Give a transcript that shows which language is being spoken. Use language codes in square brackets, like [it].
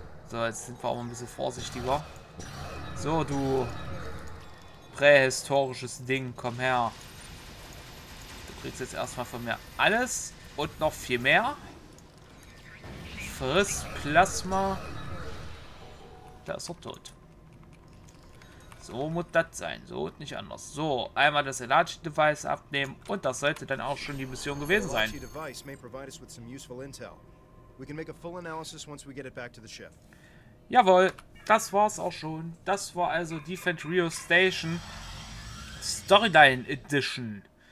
[de] So, jetzt sind wir auch mal ein bisschen vorsichtiger. So, du prähistorisches Ding, komm her. Du kriegst jetzt erstmal von mir alles und noch viel mehr. Friss Plasma. Da ist er tot. So muss das sein. So und nicht anders. So, einmal das Elachi Device abnehmen und das sollte dann auch schon die Mission gewesen sein. [en] Elachi Device may provide us with some useful intel. We can make a full analysis once we get it back to the ship. [de] Jawohl, das war's auch schon. Das war also Defend Rio Station Storyline Edition.